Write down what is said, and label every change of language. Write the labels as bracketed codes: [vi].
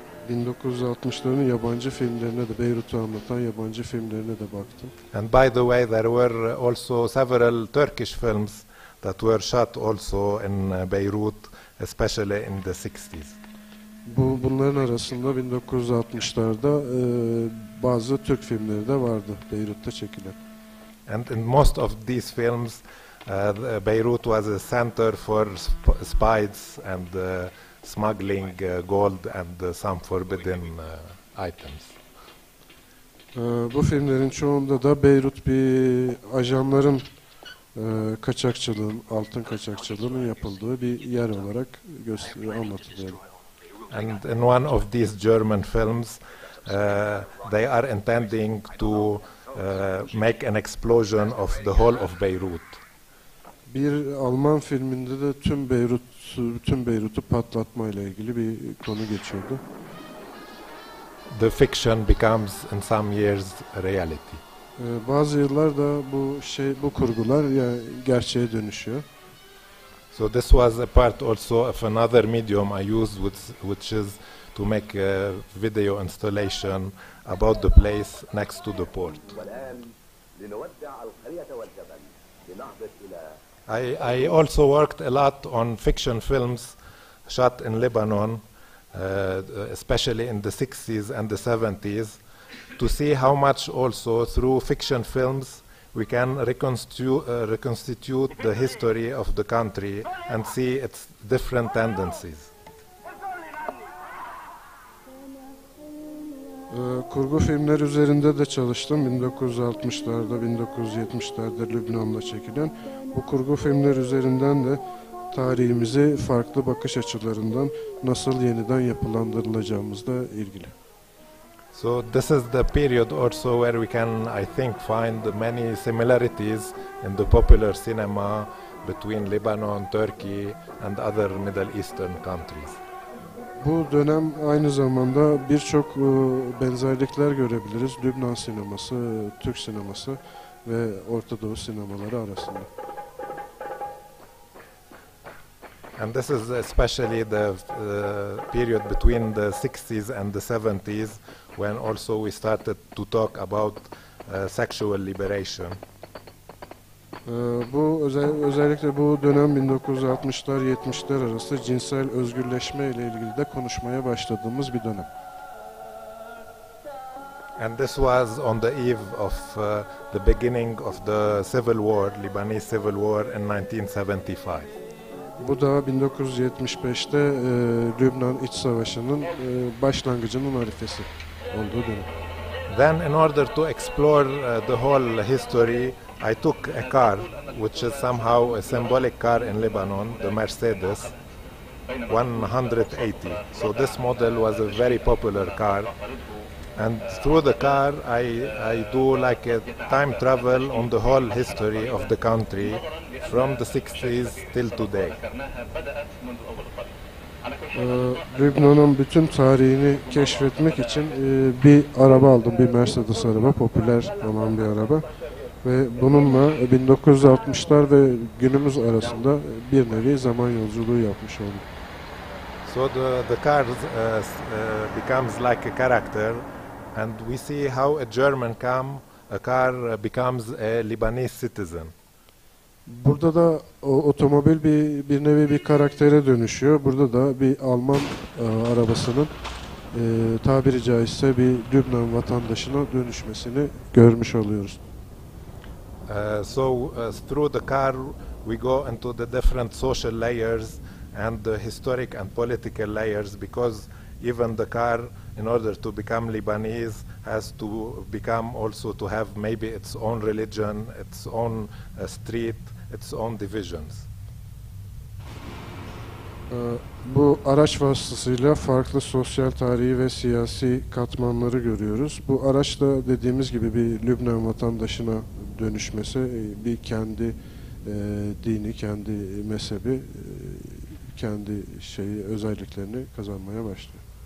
[tr] 1960'ların yabancı filmlerine de, Beyrut'u anlatan yabancı filmlerine de baktım. [en] And by the way, there were also several Turkish films that were shot also in Beirut, especially in the 60s. [tr] Bunların arasında 1960'larda bazı Türk filmleri de vardı Beyrut'ta çekilen. [en] And in most of these films, Beirut was a center for spies and smuggling gold and some forbidden items. [tr] Bu filmlerin çoğunda da Beirut bir ajanların kaçakçılığın, altın kaçakçılığının yapıldığı bir yer olarak anlatılıyor. [en] And in one of these German films, they are intending to make an explosion of the whole of Beirut. [tr] Bir Alman filminde de tüm Beyrut'u patlatma ile ilgili bir konu geçiyordu. [en] The fiction becomes in some years reality. [tr] Bazı yıllarda bu kurgular ya yani gerçeğe dönüşüyor. [en] So this was a part also of another medium I used, which is to make a video installation about the place next to the port. I also worked a lot on fiction films shot in Lebanon, especially in the 60s and the 70s, to see how much also through fiction films we can reconstitute the history of the country and see its different tendencies. [tr] Kurgu filmler üzerinde de çalıştım. 1960'larda, 1970'lerde Lübnan'da çekilen bu kurgu filmler üzerinden de tarihimizi farklı bakış açılarından nasıl yeniden yapılandırılacağımızla ilgili. [en] So this is the period also where we can, I think, find many similarities in the popular cinema between Lebanon, Turkey and other Middle Eastern countries. [tr] Bu dönem aynı zamanda birçok benzerlikler görebiliriz Lübnan sineması, Türk sineması ve Orta Doğu sinemaları arasında. [en] And this is especially the period between the 60s and the 70s when also we started to talk about sexual liberation. [tr] Bu özellikle bu dönem 1960'lar 70'ler arası cinsel özgürleşme ile ilgili de konuşmaya başladığımız bir dönem. [en] And this was on the eve of the beginning of the civil war, Lebanese civil war in 1975. [tr] Bu da 1975'te Lübnan iç savaşının başlangıcının arifesi olduğu dönem. [en] Then in order to explore the whole history, I took a car, which is somehow a symbolic car in Lebanon, the Mercedes 180. So this model was a very popular car. And through the car, I do like a time travel on the whole history of the country from the 60s till today. [tr] Lübnan'ın bütün tarihini keşfetmek için bir araba aldım, bir Mercedes araba, popüler olan bir araba. Ve bununla 1960'lar ve günümüz arasında bir nevi zaman yolculuğu yapmış oldum. [en] So the car becomes like a character and we see how a car becomes a Lebanese citizen. [tr] Burada da otomobil bir nevi bir karaktere dönüşüyor. Burada da bir Alman arabasının tabiri caizse bir Lübnan vatandaşına dönüşmesini görmüş oluyoruz. [en] So through the car we go into the different social layers and the historic and political layers, because even the car, in order to become Lebanese, has to become also to have maybe its own religion, its own street, its own divisions. [tr] Bu araç vasıtasıyla farklı sosyal, tarihi ve siyasi katmanları görüyoruz. Bu araç da dediğimiz gibi bir Lübnan vatandaşına dönüşmesi, bir kendi dini, kendi mezhebi, kendi şeyi, özelliklerini kazanmaya başlıyor.